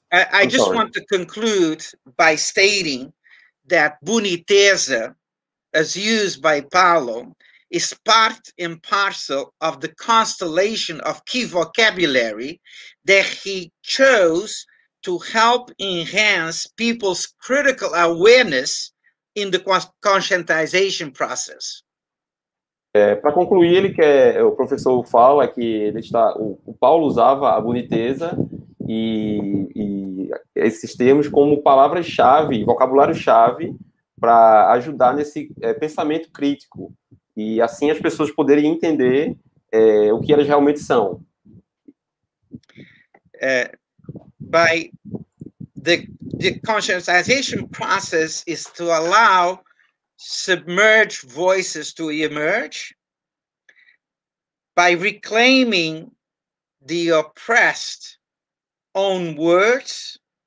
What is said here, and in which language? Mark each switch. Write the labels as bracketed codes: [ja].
[en] I just want to conclude by stating that boniteza, as used by Paulo, is part and parcel of the constellation of key vocabulary that he chose to help enhance people's critical awareness in the conscientization process. [pt] Para concluir, ele quer, o professor fala que ele está, o Paulo usava a boniteza e esses termos como palavras-chave, vocabulário-chave, para ajudar nesse pensamento crítico. E assim as pessoas poderem entender o que elas realmente são. [en] By the conscientization process is to allow submerged voices to emerge by reclaiming the oppressed own words